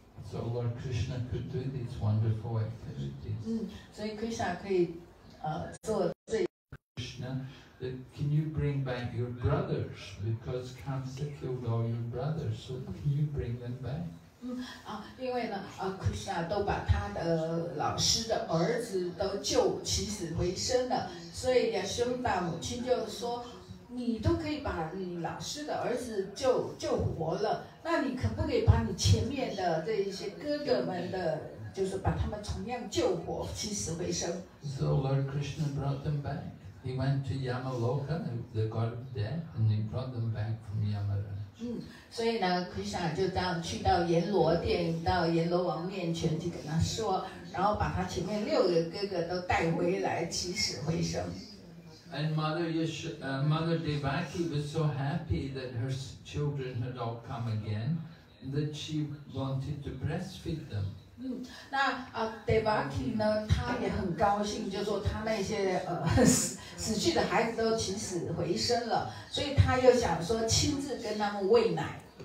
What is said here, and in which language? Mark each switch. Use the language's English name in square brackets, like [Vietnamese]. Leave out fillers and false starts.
[English] So Lord Krishna could do these wonderful activities. [Chinese] 所以 Krishna 可以，做这。 [English] Krishna. Can you bring back your brothers? Because Kamsa killed all your brothers, so can you bring them back? [Chinese] 因为呢，Krishna 都把他的老师的儿子都救起死回生了，所以Yashoda母亲就说，你都可以把你老师的儿子救活了，那你可不可以把你前面的这一些哥哥们的，就是把他们同样救活，起死回生 [English] ？So Lord Krishna brought them back. He went to Yamaloka, the god of death, and he brought them back from Yamaraj. [Chinese] 所以呢 ，Krishna 就这样去到阎罗殿，到阎罗王面前去跟他说，然后把他前面六个哥哥都带回来，起死回生。 [English] And Mother Devaki was so happy that her children had all come again that she wanted to breastfeed them. [Chinese] 那Devaki 呢，他也很高兴，就说他那些死去的孩子都起死回生了，所以他又想说亲自跟他们喂奶。